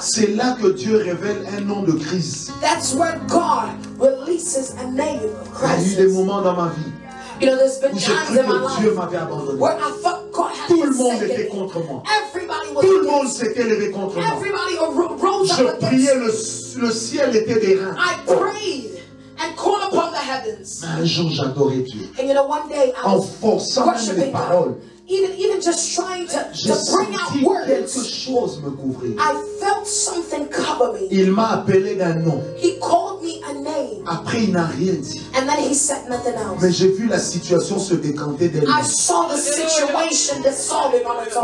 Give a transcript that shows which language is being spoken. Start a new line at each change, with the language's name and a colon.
French: C'est là que Dieu révèle un nom de Christ.
English: That's where God releases a name of Christ.
French: Il y a eu des moments dans ma vie où j'ai cru que Dieu m'avait abandonné.
English: Where I thought God had
French: Tout le monde était contre moi.
English: Everybody was
French: Tout le monde s'était levé contre moi.
English: Everybody rose
French: Je priais, le ciel était des reins.
English: I prayed. And call upon the heavens.
French: Un jour, j'adorais Dieu.
English: And you know, one day, I
French: en forçant même les paroles,
English: even just trying to bring out words,
French: quelque chose me couvrir.
English: I felt something cover me.
French: Il m'a appelé d'un nom.
English: He called me a name.
French: Après, il n'a rien dit.
English: And then he said nothing else.
French: Mais j'ai vu la situation se décanter d'elle.
English: I saw the situation dissolving on its own.